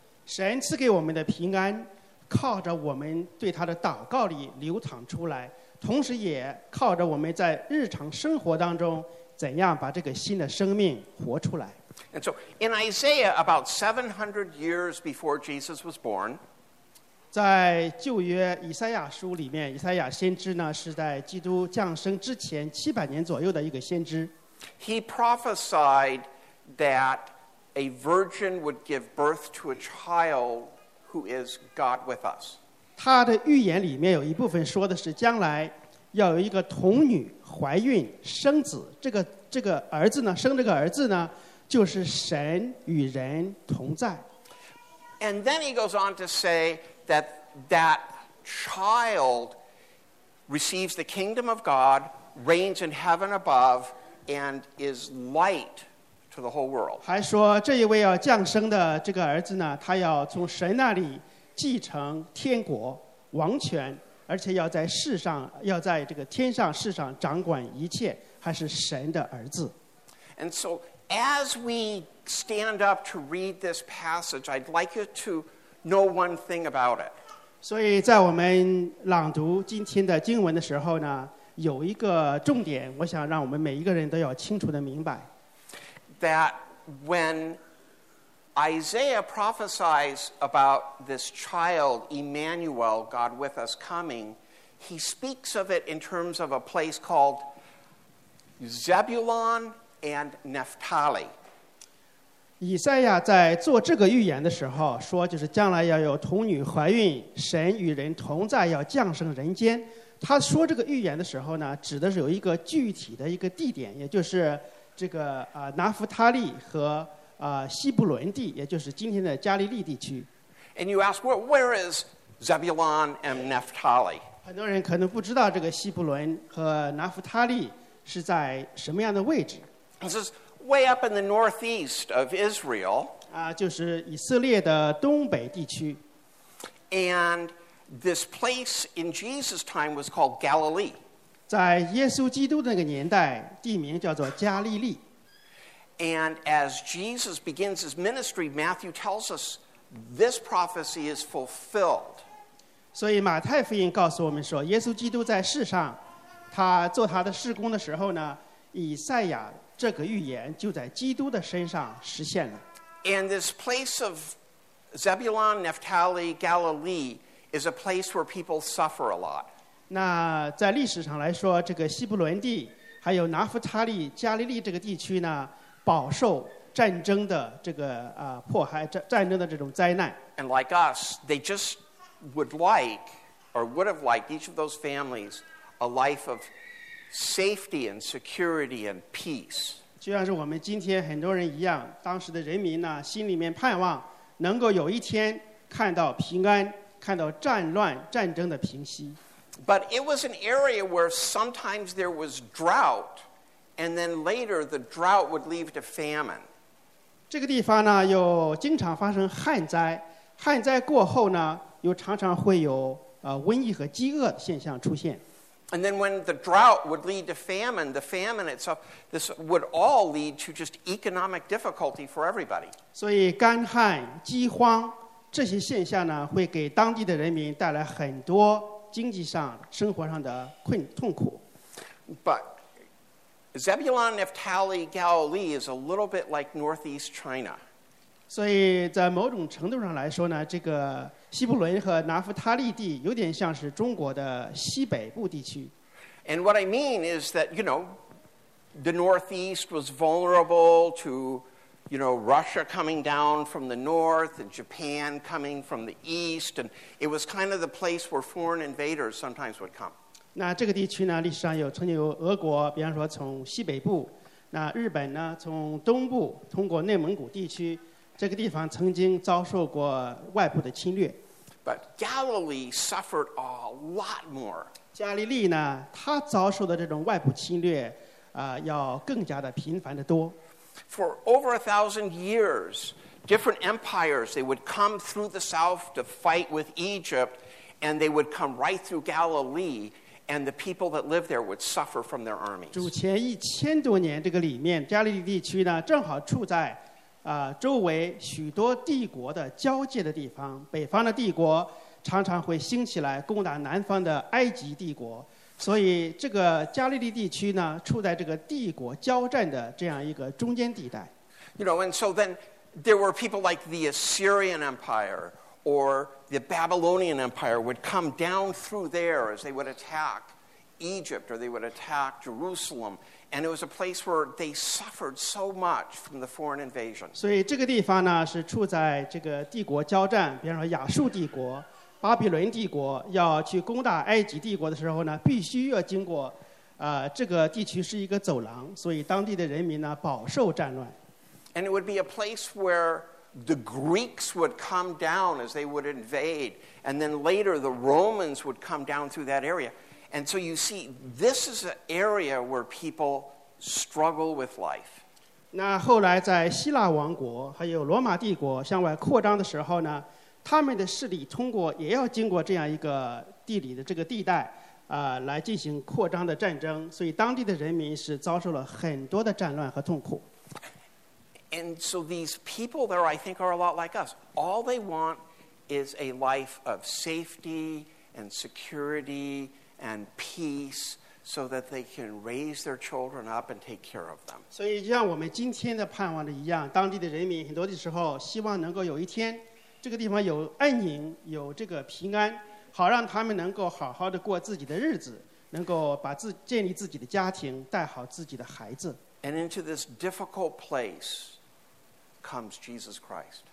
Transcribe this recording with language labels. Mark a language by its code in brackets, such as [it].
[zh] 神赐给我们的平安，靠着我们对他的祷告里流淌出来，同时也靠着我们在日常生活当中怎样把这个新的生命活出来。 [en] And so in Isaiah, about 700 years before Jesus was born, [zh] 在旧约以赛亚书里面，以赛亚先知呢，是在基督降生之前700年左右的一个先知。 [en] He prophesied that a virgin would give birth to a child who is God with us. [zh] 他的预言里面有一部分说的是将来要有一个童女怀孕生子，这个儿子呢，生这个儿子呢，就是神与人同在。 [en] And then he goes on to say that that child receives the kingdom of God, reigns in heaven above, and is light to the whole world. [zh] 还说这一位要降生的这个儿子呢，他要从神那里继承天国王权，而且要在世上，要在这个天上世上掌管一切，还是神的儿子。 [en] And so, as we stand up to read this passage, I'd like you to know one thing about it. [zh] 所以在我们朗读今天的经文的时候呢，有一个重点，我想让我们每一个人都要清楚地明白。 [en] That when Isaiah prophesies about this child, Emmanuel, God with us coming, he speaks of it in terms of a place called Zebulun and Naphtali. [zh] 以赛亚在做这个预言的时候说，就是将来要有童女怀孕，神与人同在，要降生人间。他说这个预言的时候呢，指的是有一个具体的一个地点，也就是这个拿弗他利和西布伦地，也就是今天的加利利地区。 [en] And you ask, where is Zebulun and Naphtali? [zh] 很多人可能不知道这个西布伦和拿弗他利是在什么样的位置。 [en] This is way up in the northeast of Israel. [zh] 就是以色列的东北地区。 [en] And this place in Jesus' time was called Galilee. [zh] 在耶稣基督那个年代，地名叫做加利利。 [en] And as Jesus begins his ministry, Matthew tells us this prophecy is fulfilled. [zh] 所以马太福音告诉我们说，耶稣基督在世上，他做他的事工的时候呢，以赛亚这个预言就在基督的身上实现了。 [en] And this place of Zebulun, Naphtali, Galilee is a place where people suffer a lot. [zh] 那在历史上来说，这个西布伦地还有拿弗他利、加利利这个地区呢，饱受战争的这个迫害，战争的这种灾难。 [en] And like us, they just would have liked each of those families a life of safety and security and peace. [zh] 就像是我们今天很多人一样，当时的人民呢，心里面盼望能够有一天看到平安，看到战乱、战争的平息。 [en] But it was an area where sometimes there was drought, and then later the drought would lead to famine. [zh] 这个地方呢，又经常发生旱灾，旱灾过后呢，又常常会有瘟疫和饥饿的现象出现。 [en] And then when the drought would lead to famine, the famine itself, this would all lead to just economic difficulty for everybody. [zh] 所以干旱、饥荒这些现象呢，会给当地的人民带来很多经济上、生活上的痛苦。 [en] But Zebulun, Naphtali, Galilee is a little bit like northeast China. [zh] 所以在某种程度上来说呢，这个西布伦和拿弗他利地有点像是中国的西北部地区。 [en] And what I mean is that, you know, the northeast was vulnerable to, you know, Russia coming down from the north and Japan coming from the east, and it was kind of the place where foreign invaders sometimes would come. [zh] 那这个地区呢，历史上有曾经有俄国，比方说从西北部，那日本呢，从东部，通过内蒙古地区，这个地方曾经遭受过外部的侵略。 [en] But Galilee suffered a lot more. [zh] 加利利呢，它遭受的这种外部侵略，要更加的频繁的多。 [en] For over 1,000 years, different empires, they would come through the south to fight with Egypt, and they would come right through Galilee, and the people that lived there would suffer from their armies. [zh] 主前1000多年，这个里面，加利利地区呢，正好处在周围许多帝国的交界的地方，北方的帝国常常会兴起来攻打南方的埃及帝国，所以这个加利利地区呢，处在这个帝国交战的这样一个中间地带。 [en] You know, and so then there were people like the Assyrian Empire or the Babylonian Empire would come down through there as they would attack Egypt or they would attack Jerusalem. And it was a place where they suffered so much from the foreign invasion. [zh] 所以这个地方呢，是处在这个帝国交战，比方说亚述帝国、巴比伦帝国要去攻打埃及帝国的时候呢，必须要经过这个地区是一个走廊，所以当地的人民呢饱受战乱。 [en] And it would be a place where the Greeks would come down as they would invade, and then later the Romans would come down through that area. And so you see, this is an area where people struggle with life. [zh] 那后来在希腊王国还有罗马帝国向外扩张的时候呢，他们的势力通过也要经过这样一个地理的这个地带，来进行扩张的战争，所以当地的人民是遭受了很多的战乱和痛苦。 [en] And so these people there, I think, are a lot like us. All they want is a life of safety and security and peace so that they can raise their children up and take care of them. [zh] 所以就像我们今天的盼望的一样，当地的人民很多的时候希望能够有一天这个地方有安宁，有这个平安，好让他们能够好好的过自己的日子，能够把自建立自己的家庭，带好自己的孩子。 [en] And into this difficult place comes Jesus Christ.